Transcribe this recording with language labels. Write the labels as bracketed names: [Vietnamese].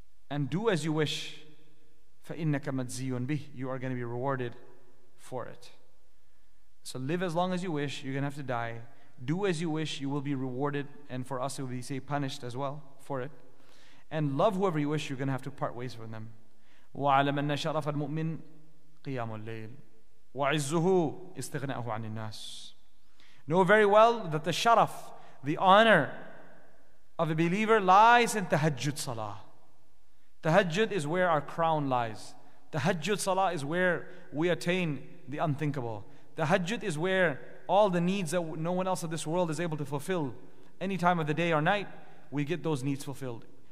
[English] And do as you wish. [Arabic] فإنك مجزيٌ به. [English] You are going to be rewarded for it. So live as long as you wish. You're going to have to die. Do as you wish. You will be rewarded. And for us, it will be, say, punished as well for it. And love whoever you wish. You're going to have to part ways from them. [Arabic] وعلم أن شرف المؤمن قيام الليل وعزه استغناءه عن الناس. [English] Know very well that the sharaf, the honor of a believer, lies in tahajjud salah. Tahajjud is where our crown lies. Tahajjud salah is where we attain the unthinkable. Tahajjud is where all the needs that no one else in this world is able to fulfill, any time of the day or night, we get those needs fulfilled.